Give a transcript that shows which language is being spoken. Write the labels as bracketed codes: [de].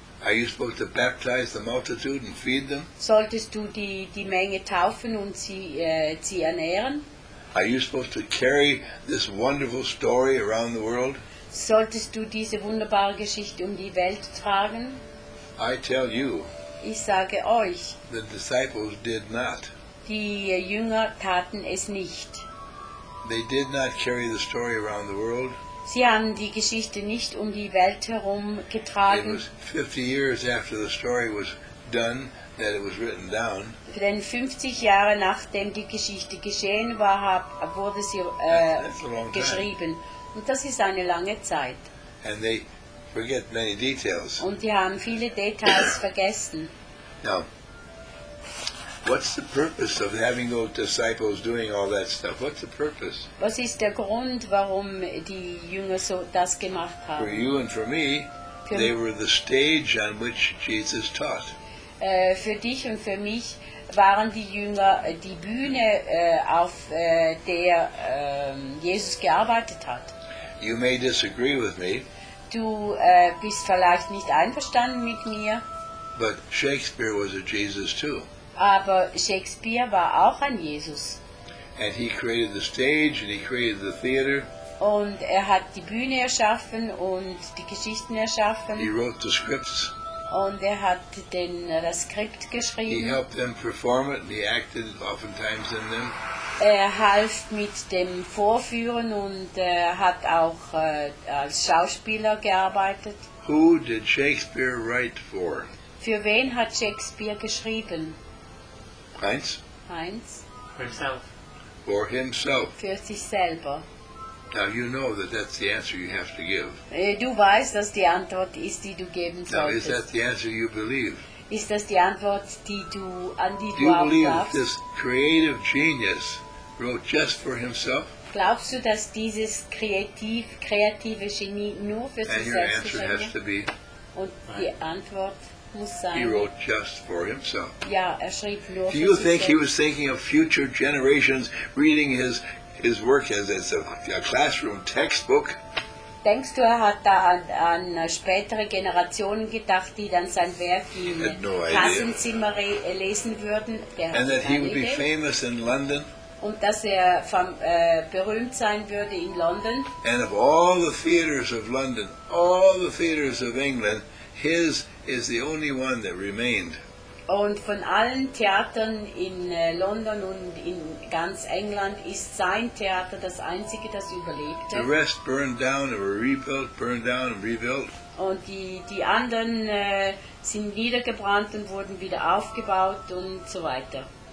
[en] Are you supposed to baptize the multitude and feed them? [de] Solltest du die Menge taufen und sie ernähren? [en] Are you supposed to carry this wonderful story around the world? [de] Solltest du diese wunderbare Geschichte um die Welt tragen? [en] I tell you. [de] Ich sage euch. [en] The disciples did not. [de] Die Jünger taten es nicht. [en] They did not carry the story around the world. [de] Sie haben die Geschichte nicht um die Welt herum getragen. [en] It was 50 years after the story was done that it was written down. [de] Denn 50 Jahre nachdem die Geschichte geschehen war, wurde sie geschrieben. Und das ist eine lange Zeit. [en] And they forget many details. [de] Und die haben viele Details vergessen. [en] Now, what's the purpose of having those disciples doing all that stuff? What's the purpose? [de] Was ist der Grund, warum die Jünger so das gemacht haben? [en] For you and for me, they were the stage on which Jesus taught. [de] Für dich und für mich waren die Jünger die Bühne, auf der Jesus gearbeitet hat. [en] You may disagree with me. [de] Du bist vielleicht nicht einverstanden mit mir. [en] But Shakespeare was a Jesus too. [de] Aber Shakespeare war auch ein Jesus. [en] And he created the stage and he created the theater. [de] Und er hat die Bühne erschaffen und die Geschichten erschaffen. [en] He wrote the scripts. [de] Und er hat das Skript geschrieben. [en] He helped them perform it and he acted oftentimes in them. [de] Er half mit dem Vorführen und hat auch als Schauspieler gearbeitet. [en] Who did Shakespeare write for? [de] Für wen hat Shakespeare geschrieben? Heinz? Heinz. [en] For himself. For himself. [de] Für sich selber. [en] Now you know that that's the answer you have to give. [de] Du weißt, dass die Antwort ist, die du geben solltest. [en] Now is that the answer you believe? [de] Ist das die Antwort, die du an die [en] Do you believe that this creative genius wrote just for himself? [de] Glaubst du, dass dieses kreative Genie nur für sich selbst geschrieben? [en] And your answer has to be. [de] Und die Antwort muss sein. [en] He wrote just for himself. [de] Ja, er schrieb nur für sich. [en] Do you think he was thinking of future generations reading his work as a classroom textbook? [de] Denkst du, er hat da an spätere Generationen gedacht, die dann sein Werk im Klassenzimmer lesen würden? [en] And that he would be famous in London? [de] Und dass er berühmt sein würde in London? [en] And of all the theaters of London, all the theaters of England, his is the only one that remained. [de] Und von allen Theatern in London und in ganz England ist sein Theater das einzige, das überlebte. [en] The rest burned down and were rebuilt, burned down and rebuilt. [de] Und die anderen sind niedergebrannt und wurden wieder aufgebaut und so weiter.